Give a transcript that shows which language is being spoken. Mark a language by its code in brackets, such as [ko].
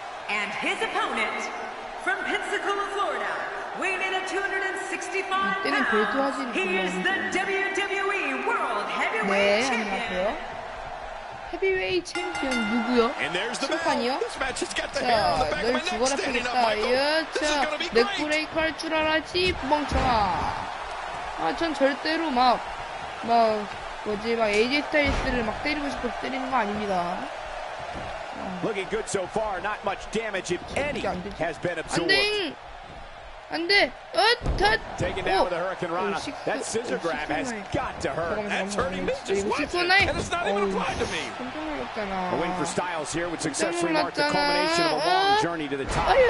[en] And his opponent from Pensacola, Florida, weighing at 265 pounds. He is the WWE World Heavyweight Champion. [ko] 네, 안녕하세요. 헤비웨이트 챔피언 누구요? 심판이요? 자, 널 죽어라 패스타이어. 자, 넥브레이크 할 줄 알았지, 멍청아. 아, 전 절대로 막 AJ 스타일스를 막 때리고 싶어서 때리는 거 아닙니다. [en] Looking good so far. Not much damage if any has been absorbed. [ko] 안 돼. 안 돼. 엇, 탓. [en] Taken down with a Hurricane Rana. That scissor grab has got to hurt. That's hurting me. Just watch it. And it's not even applied to me. A win for Styles here would successfully mark the culmination of a long journey to the top.